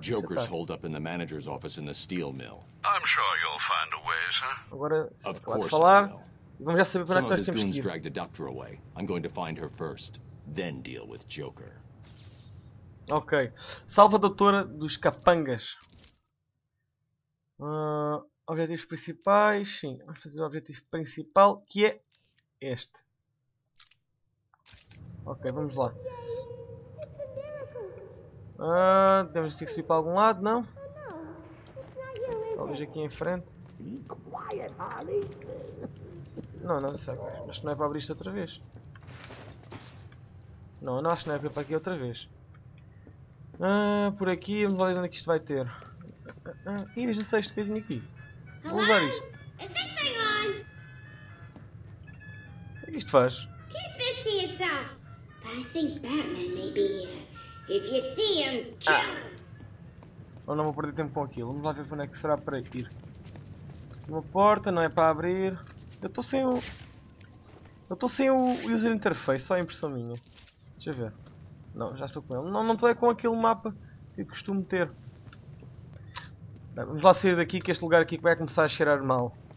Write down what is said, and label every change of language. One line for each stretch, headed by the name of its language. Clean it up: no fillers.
English: Jokers hold up in the manager's office in the steel mill. I'm sure you'll find a way, sir.
Portuguese: Agora, sim, pode falar. Vamos já saber para onde nós temos que ir.
English: I'm going to find her first, then deal with Joker.
Portuguese: Ok. Salva a doutora dos capangas. Objetivos principais, sim. Vamos fazer o objetivo principal, que é este. Ok, vamos lá. Devemos ter que subir para algum lado, não? Talvez aqui em frente. Não, não sei. Acho que não é para abrir isto outra vez. Não, não acho que não é para aqui outra vez. Por aqui, vamos ver onde é que isto vai ter. Ih, veja só este coisinho aqui. Vou usar isto. Isto faz.
English: Keep this to yourself. But I think Batman may be here. If you see him, kill him.
Portuguese: Não vou perder tempo com aquilo. Vamos lá ver onde é que será para ir. Uma porta, não é para abrir. Eu estou sem o user interface, só a impressão minha. Deixa eu ver. Não, já estou com ele. Não estou é com aquele mapa que eu costumo ter. Vamos lá sair daqui, que este lugar aqui vai começar a cheirar mal.